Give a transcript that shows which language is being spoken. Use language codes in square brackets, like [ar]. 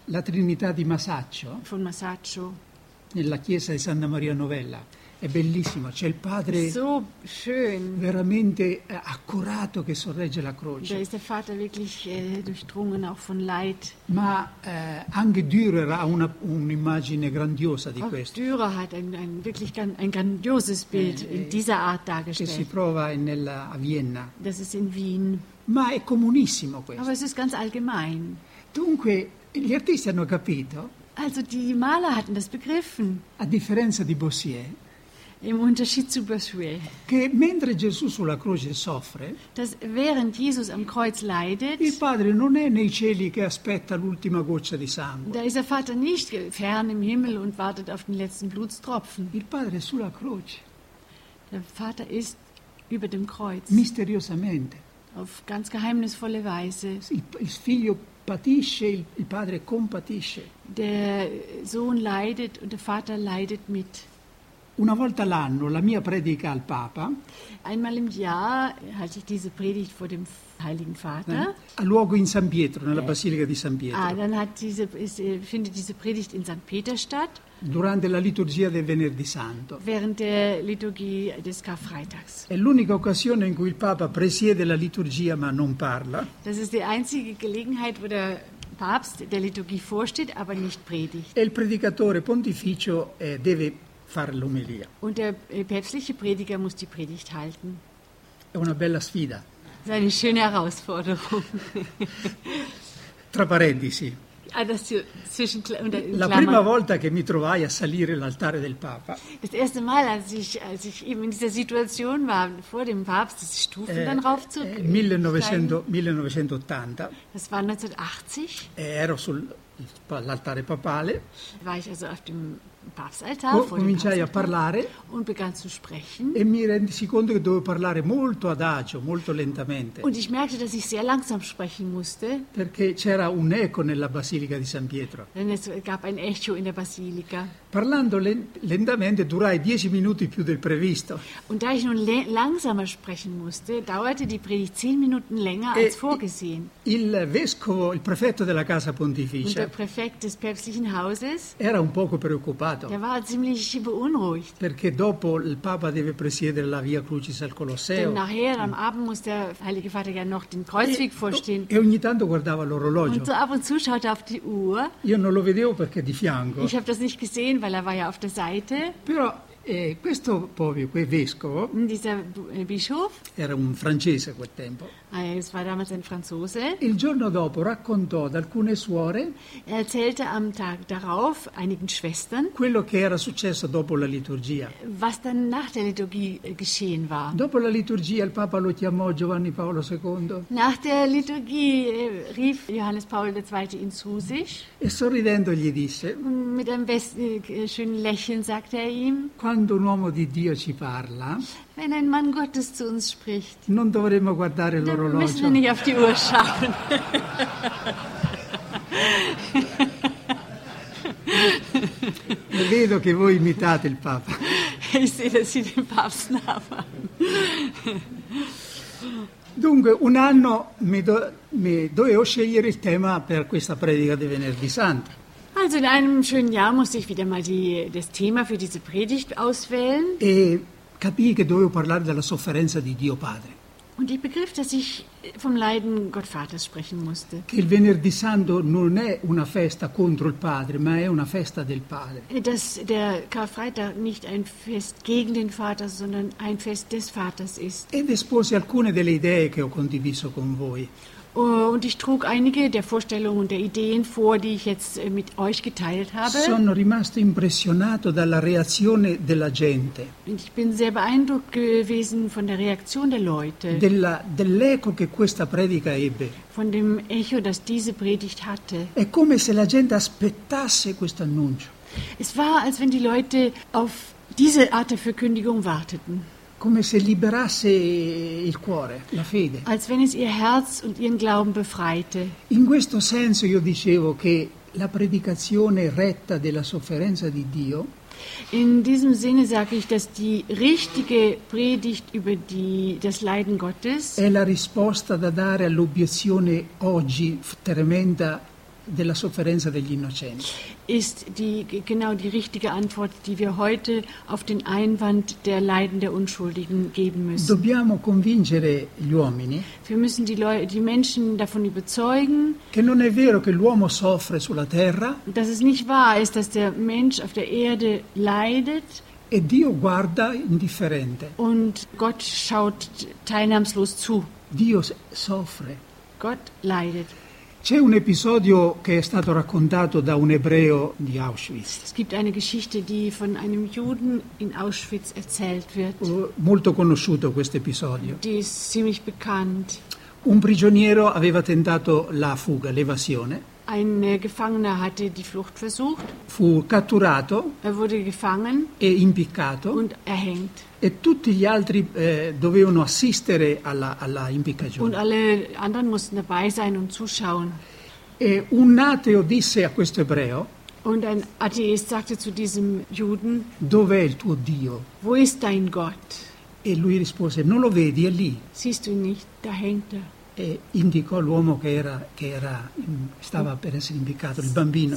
[it] La Trinità di Masaccio. [de] Von Masaccio. [it] Nella chiesa di Santa Maria Novella. È bellissimo, c'è il Padre [de] so schön. [it] Veramente accurato che sorregge la croce. [de] Da ist der Vater wirklich durchdrungen auch von Leid. [it] Ma anche Dürer ha un'immagine grandiosa di [de] auch [it] questo. [de] Dürer hat ein wirklich ein grandioses Bild in dieser Art dargestellt. [it] Che si prova nella a Vienna. [de] Das ist in Wien. [it] Ma è comunissimo questo. [de] Aber es ist ganz allgemein. [it] Dunque, gli artisti hanno capito. [de] Also die Maler hatten das begriffen. [it] A differenza di Bossuet. [de] Im Unterschied zu Bossuet. [it] Che mentre Gesù sulla croce soffre, [de] dass während Jesus am Kreuz leidet, [it] il Padre non è nei cieli che aspetta l'ultima goccia di sangue. [de] Da ist der Vater nicht fern im Himmel und wartet auf den letzten Blutstropfen. [it] Il Padre è sulla croce. [de] Der Vater ist über dem Kreuz. [it] Misteriosamente. [de] Auf ganz geheimnisvolle Weise. [it] Il figlio patisce, il Padre compatisce. [de] Der Sohn leidet und der Vater leidet mit. [it] Una volta l'anno la mia predica al Papa. [de] Einmal im Jahr halte ich diese Predigt vor dem Heiligen Vater. [it] A luogo in San Pietro, nella Basilica di San Pietro. [de] Ah, dann findet diese Predigt in San Peter statt. [it] Durante la liturgia del Venerdì Santo. [de] Während der Liturgie des Karfreitags. [it] È l'unica occasione in cui il Papa presiede la liturgia ma non parla. [de] Das ist die einzige Gelegenheit, wo der Papst der Liturgie vorsteht, aber nicht predigt. [it] E il predicatore pontificio deve fare l'omelia. [de] Und der päpstliche Prediger muss die Predigt halten. [it] È una bella sfida. [de] Ist eine schöne Herausforderung. [it] Tra parentesi. La prima volta che mi trovai a salire l'altare del Papa. [de] Das erste Mal, als ich eben in dieser Situation war, vor dem Papst, diese Stufen dann raufzug. [it] 1980. [de] Das war 1980. [it] Ero sull'altare papale. [de] War ich also auf dem Papstaltar, [it] cominciai a parlare [de] und begann zu sprechen. [it] E mi rendi conto che dovevo parlare molto adagio, molto lentamente. [de] Und ich merkte, dass ich sehr langsam sprechen musste. [it] Perché c'era un eco nella Basilica di San Pietro. [de] Denn es gab ein Echo in der Basilica. [it] Parlando lentamente durai 10 minuti più del previsto. [de] Und da ich nun langsamer sprechen musste, dauerte die Predigt 10 Minuten länger als vorgesehen. [it] Il vescovo, il prefetto della casa pontificia. [de] Und der Präfekt des päpstlichen Hauses. [it] Era un poco preoccupato. [de] Der war ziemlich beunruhigt. [it] Perché dopo il Papa deve presiedere la Via Crucis al Colosseo. [de] Denn nachher am Abend muss der Heilige Vater ja noch den Kreuzweg vorstehen. [it] E ogni tanto guardava l'orologio. [de] Und so ab und zu schaute auf die Uhr. [it] Io non lo vedevo perché di fianco. [de] Ich habe das nicht gesehen, weil er war ja auf der Seite. [it] Però questo povero quel vescovo. [de] Dieser Bischof. [it] Era un francese a quel tempo. [de] Es war damals ein Franzose. [it] Il giorno dopo raccontò ad alcune suore. [de] Er erzählte am Tag darauf einigen Schwestern. [it] Quello che era successo dopo la liturgia. [de] Was dann nach der Liturgie geschehen war. [it] Dopo la liturgia il Papa lo chiamò Giovanni Paolo II. [de] Nach der Liturgie rief Johannes Paul II. Ihn zu sich. [it] E sorridendo gli disse. [de] Mit einem schönen Lächeln sagte er ihm. [it] quando un uomo di Dio ci parla, [de] wenn ein Mann Gottes zu uns spricht, [it] non dovremmo guardare l'orologio. [de] Müssen wir nicht auf die Uhr schauen. [it] Vedo che voi imitate il Papa. [de] Ich sehe, dass Sie den Papst nachmachen. [it] Dunque, un anno mi dovevo scegliere il tema per questa predica di Venerdì Santo. [de] Also in einem schönen Jahr musste ich wieder mal das Thema für diese Predigt auswählen. [it] E capii che dovevo parlare della sofferenza di Dio Padre. [de] Und ich begriff, dass ich vom Leiden Gott Vaters sprechen musste. [it] Che il Venerdì Santo non è una festa contro il Padre, ma è una festa del Padre. [de] Dass der Karfreitag nicht ein Fest gegen den Vater, sondern ein Fest des Vaters ist. [it] Ed esposi alcune delle idee che ho condiviso con voi. [de] Und ich trug einige der Vorstellungen und der Ideen vor, die ich jetzt mit euch geteilt habe. [it] Sono rimasto impressionato dalla reazione della gente. [de] Und ich bin sehr beeindruckt gewesen von der Reaktion der Leute. [it] Dell'eco che questa predica ebbe. [de] Von dem Echo, das diese Predigt hatte. [it] È come se la gente aspettasse questo annuncio. [de] Es war, als wenn die Leute auf diese Art der Verkündigung warteten. [it] Come se liberasse il cuore, la fede. [de] Als wenn es ihr Herz und ihren Glauben befreite. [it] In questo senso io dicevo che la predicazione retta della sofferenza di Dio. [de] In diesem Sinne sage ich, dass die richtige Predigt über das Leiden Gottes. [it] È la risposta da dare all'obiezione oggi tremenda della sofferenza degli innocenti. [de] Ist die genau die richtige Antwort, die wir heute auf den Einwand der Leiden der Unschuldigen geben müssen. [it] Dobbiamo convincere gli uomini. [de] Wir müssen die Menschen davon überzeugen. [it] Che non è vero che l'uomo soffre sulla terra. [de] Dass es nicht wahr ist, dass der Mensch auf der Erde leidet. [it] E Dio guarda indifferente. [de] Und Gott schaut teilnahmslos zu. [it] Dio soffre. [de] Gott leidet. [it] C'è un episodio che è stato raccontato da un ebreo di Auschwitz. [de] Es gibt eine Geschichte, die von einem Juden in Auschwitz erzählt wird. [it] Molto conosciuto questo episodio. [de] Die ist ziemlich bekannt. [it] Un prigioniero aveva tentato la fuga, l'evasione. [de] Ein Gefangener hatte die Flucht versucht. [it] Fu catturato. [de] Er wurde gefangen. [it] E impiccato. [de] Und erhängt. [it] E tutti gli altri dovevano assistere alla impiccagione. [de] Und alle anderen mussten dabei sein und zuschauen. [it] E un ateo disse a questo ebreo. [de] Und ein Atheist sagte zu diesem Juden. [it] Dov'è il tuo Dio? [de] Wo ist dein Gott? [it] E lui rispose: Non lo vedi, è lì. [de] Siehst du nicht? Da hängt er. [it] E indicò l'uomo che stava per essere impiccato, il bambino.